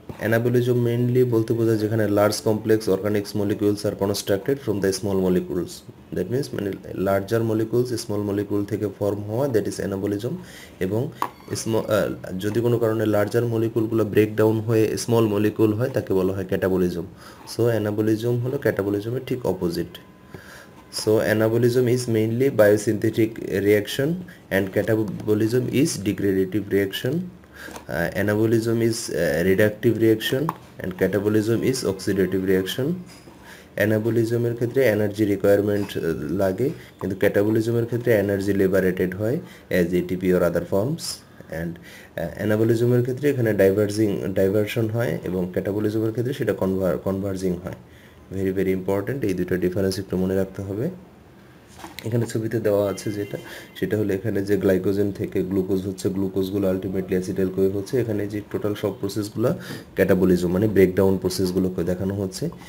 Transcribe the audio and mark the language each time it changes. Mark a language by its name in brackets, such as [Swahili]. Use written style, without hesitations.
[English] anabolism mainly [Bangla] বলতে বোঝায় যেখানে [English] Large complex organics molecules are constructed from the small molecules, that means মানে larger molecules small molecule থেকে form হওয়া, that is anabolism. [Bangla] এবং যদি কোনো কারণে লার্জার মলিকিউলগুলো ব্রেকডাউন হয়ে স্মল মলিকিউল হয় তাকে বলা হয় ক্যাটাবলিজম। সো অ্যানাবলিজম হলো ক্যাটাবলিজমের ঠিক opposite. [English] So anabolism is mainly biosynthetic reaction and catabolism is degradative reaction. Anabolism is reductive reaction and catabolism is oxidative reaction. Anabolism [Bangla] এর ক্ষেত্রে [English] energy requirement লাগে, [Bangla] কিন্তু catabolism এর ক্ষেত্রে [English] energy liberated হয় as ATP or other forms. [Bangla] And anabolism এর ক্ষেত্রে এখানে diversion হয় এবং catabolism এর ক্ষেত্রে সেটা converging হয়। ভেরি ভেরি ইম্পর্ট্যান্ট, এই দুটো ডিফারেন্স একটু মনে রাখতে হবে। এখানে ছবিতে দেওয়া আছে যেটা, সেটা হলো এখানে যে গ্লাইকোজেন থেকে গ্লুকোজ হচ্ছে, গ্লুকোজগুলো আলটিমেটলি অ্যাসিটাইল কোয়ে হচ্ছে, এখানে যে টোটাল সব প্রসেসগুলো ক্যাটাবলিজম মানে ব্রেকডাউন প্রসেসগুলোকে দেখানো হচ্ছে।